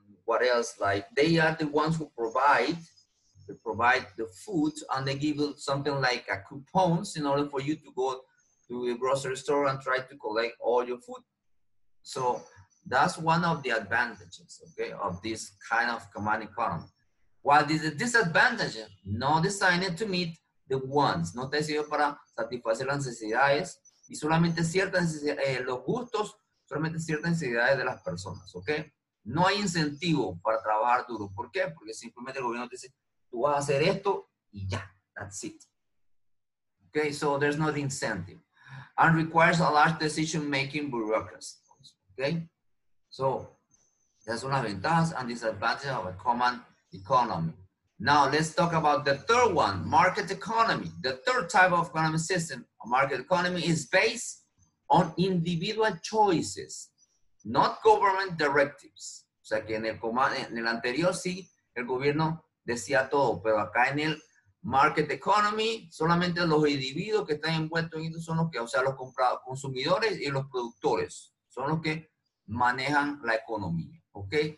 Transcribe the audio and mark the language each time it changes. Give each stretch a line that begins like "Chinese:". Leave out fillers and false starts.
English: what else? Like, they are the ones who provide, they provide the food, and they give something like a coupons in order for you to go to a grocery store and try to collect all your food. So that's one of the advantages, okay, of this kind of command economy. What is the disadvantage? No designed to meet the wants.
Spanish: No te sirve para satisfacer las necesidades y solamente ciertas necesidades, los gustos, solamente ciertas necesidades de las personas, okay? No hay incentivo para trabajar duro. ¿Por qué? Porque simplemente el gobierno te dice, tú vas a hacer esto y ya,
English: that's it. Okay, so there's no incentive. And requires a large decision-making bureaucracy. Okay, so that's one of the ventajas and disadvantages of a common economy. Now let's talk about the third one, market economy. The third type of economic system, a market economy, is based on individual choices, not government directives.
Spanish: O sea que en el anterior sí, el gobierno decía todo, pero acá en el market economy, solamente los individuos que están envueltos en esto son los que, o sea, los comprados, consumidores y los productores, son los que manejan la economía, ¿ok?